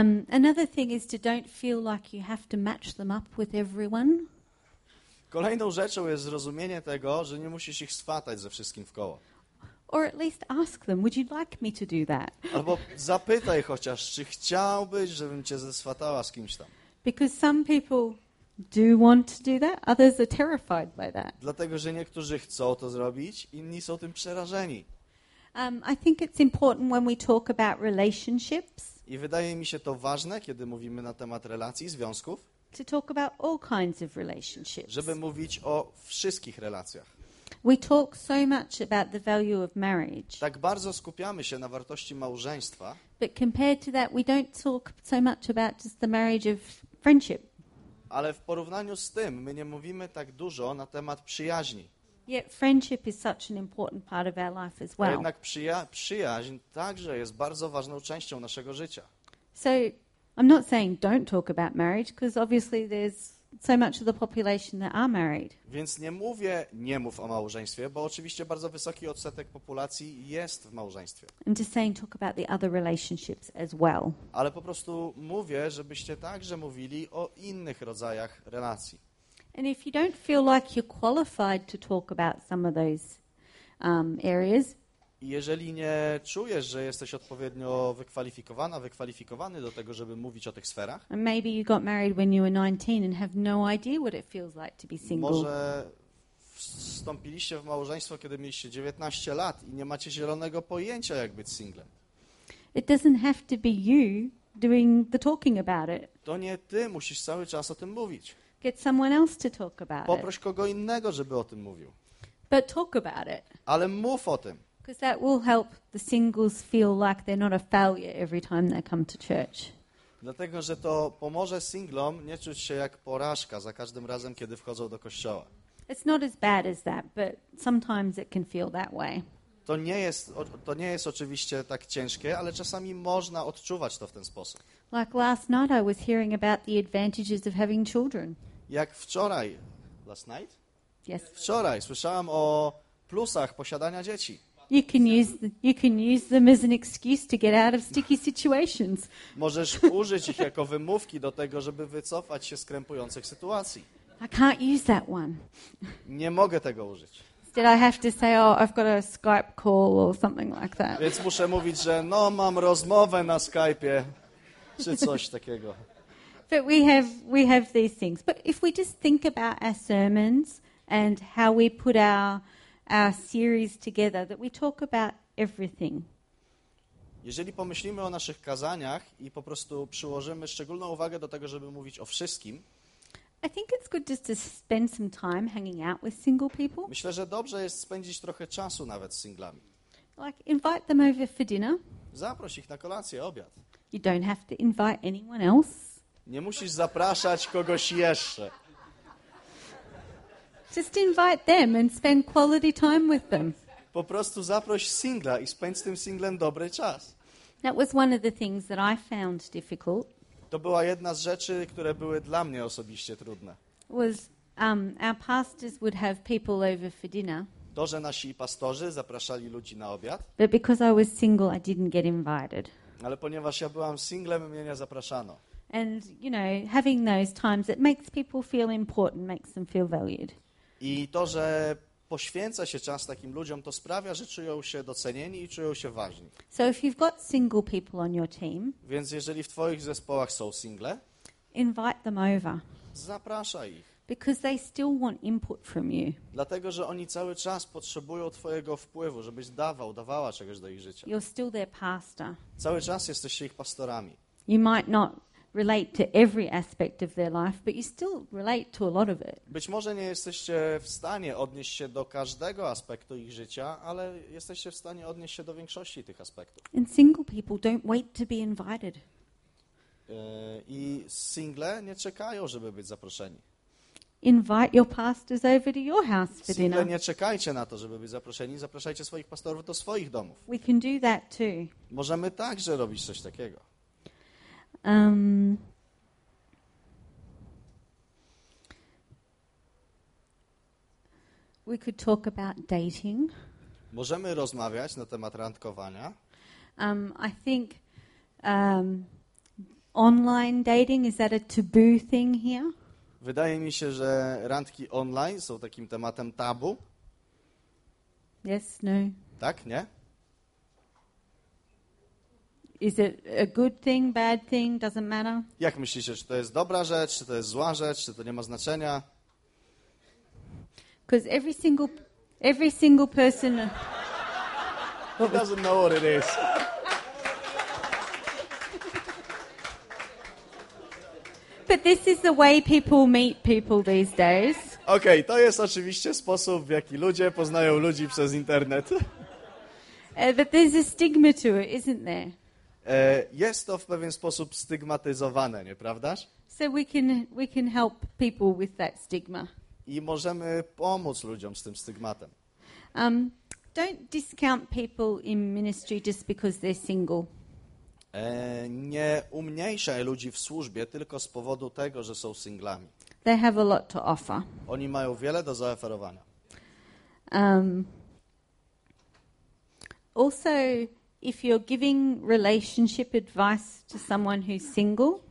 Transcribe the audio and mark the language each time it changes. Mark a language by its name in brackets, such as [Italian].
[English] Another thing is to don't feel like you have to match them up with everyone. [Polish] Kolejną rzeczą jest zrozumienie tego, że nie musisz ich swatać ze wszystkim w koło. [English] Or at least ask them, would you like me to do that? [Polish] Albo zapytaj chociaż, czy chciałbyś, żebym cię zeswatała z kimś tam. [English] Because some people do want to do that, others are terrified by that. [Polish] Dlatego, że niektórzy chcą to zrobić, inni są tym przerażeni. [English] I think it's important when we talk about relationships. [Polish] I wydaje mi się to ważne, kiedy mówimy na temat relacji, związków. [English] To talk about all kinds of relationships. [Polish] Żeby mówić o wszystkich relacjach. [English] We talk so much about the value of marriage. [Polish] Tak bardzo skupiamy się na wartości małżeństwa. [English] But compared to that, we don't talk so much about just the marriage of friendship. [Polish] Ale w porównaniu z tym, my nie mówimy tak dużo na temat przyjaźni. [English] Yet friendship is such an important part of our life as well. [Polish] A jednak przyjaźń także jest bardzo ważną częścią naszego życia. [English] So I'm not saying don't talk about marriage, because obviously there's so much of the population that are married. [Polish] Więc nie mówię nie mów o małżeństwie, bo oczywiście bardzo wysoki odsetek populacji jest w małżeństwie. [English] I'm just saying talk about the other relationships as well. [Polish] Ale po prostu mówię, żebyście także mówili o innych rodzajach relacji. [English] And if you don't feel like you're qualified to talk about some of those areas. [Polish] Jeżeli nie czujesz, że jesteś odpowiednio wykwalifikowana, wykwalifikowany do tego, żeby mówić o tych sferach. [English] Maybe you got married when you were 19 and have no idea what it feels like to be single. [Polish] Może wstąpiliście w małżeństwo, kiedy mieliście 19 lat i nie macie zielonego pojęcia, jak być singlem. [English] It doesn't have to be you doing the talking about it. [Polish] To nie ty musisz cały czas o tym mówić. [English] Get someone else to talk about it. [Polish] Poproś kogo innego, żeby o tym mówił. [English] But talk about it. [Polish] Ale mów o tym. [English] Because that will help the singles feel like they're not a failure every time they come to church. [Polish] Dlatego, że to pomoże singlom nie czuć się jak porażka za każdym razem, kiedy wchodzą do kościoła. [English] It's not as bad as that, but sometimes it can feel that way. [Polish] To nie jest oczywiście tak ciężkie, ale czasami można odczuwać to w ten sposób. [English] Like last night I was hearing about the advantages of having children. [Polish] Jak wczoraj, [English] last night? Yes. [Polish] Wczoraj słyszałam o plusach posiadania dzieci. [English] You can use them as an excuse to get out of sticky situations. [Polish] Możesz użyć ich jako wymówki do tego, żeby wycofać się z krępujących sytuacji. [English] I can't use that one. [Polish] Nie mogę tego użyć. [English] Did I have to say, oh, I've got a Skype call or something like that? [Polish] Więc muszę mówić, że no, mam rozmowę na Skype'ie. czy coś takiego. [English] But we have these things. But if we just think about our sermons and how we put our series together, that we talk about everything. [Polish] Jeżeli pomyślimy o naszych kazaniach i po prostu przyłożymy szczególną uwagę do tego, żeby mówić o wszystkim. [English] I think it's good just to spend some time hanging out with single people. [Polish] Myślę, że dobrze jest spędzić trochę czasu nawet z singlami. [English] Like invite them over for dinner. [Polish] Zaproś ich na kolację, obiad. [English] You don't have to invite anyone else. [Polish] Nie musisz zapraszać kogoś jeszcze. [English] Just invite them and spend quality time with them. [Polish] Po prostu zaproś singla i spędź z tym singlem dobry czas. [English] That was one of the things that I found difficult. [Polish] To była jedna z rzeczy, które były dla mnie osobiście trudne. [English] Was, our pastors would have people over for dinner. [Polish] To, że nasi pastorzy zapraszali ludzi na obiad. [English] But because I was single, I didn't get invited. [Polish] Ale ponieważ ja byłam singlem, mnie nie zapraszano. [English] And you know, having those times, it makes people feel important, makes them feel valued. [Polish] I to, że poświęca się czas takim ludziom, to sprawia, że czują się docenieni i czują się ważni. [English] So if you've got single people on your team, [Polish] więc jeżeli w twoich zespołach są single, [English] invite them over. [Polish] Zapraszaj ich. [English] Because they still want input from you. [Polish] Dlatego, że oni cały czas potrzebują twojego wpływu, żebyś dawała czegoś do ich życia. [English] You're still their pastor. [Polish] Cały czas jesteś ich pastorami. [English] You might not relate to every aspect of their life, but you still relate to a lot of it. [Polish] Być może nie jesteście w stanie odnieść się do każdego aspektu ich życia, ale jesteście w stanie odnieść się do większości tych aspektów. [English] And single people don't wait to be invited. [Polish] I single nie czekają, żeby być zaproszeni. [English] Invite your pastors over to your house for dinner. [Polish] Nie czekajcie na to, żeby być zaproszeni. Zapraszajcie swoich pastorów do swoich domów. [English] We can do that too. [Polish] Możemy także robić coś takiego. [English] We could talk about dating. [Polish] Możemy rozmawiać na temat randkowania. [English] I think online dating, is that a taboo thing here? [Polish] Wydaje mi się, że randki online są takim tematem tabu. [English] Yes, no. [Polish] Tak, nie? [English] Is it a good thing, bad thing, doesn't matter? [Polish] Jak myślicie, czy to jest dobra rzecz, czy to jest zła rzecz, czy to nie ma znaczenia? [English] Because every single person he doesn't know what it is. But this is the way people meet people these days. [Polish] Okay, to jest oczywiście sposób, w jaki ludzie poznają ludzi przez internet. [English] But there's a stigma to it, isn't there? [Polish] Jest to w pewien sposób stygmatyzowane, nieprawdaż? [English] So we can help people with that stigma. [Polish] I możemy pomóc ludziom z tym stygmatem. [English] Don't discount people in ministry just because they're single. [Polish] Nie umniejszaj ludzi w służbie tylko z powodu tego, że są singlami. [English] They have a lot to offer. [Polish] Oni mają wiele do zaoferowania. [English] Also, if you're giving relationship advice to someone who's single.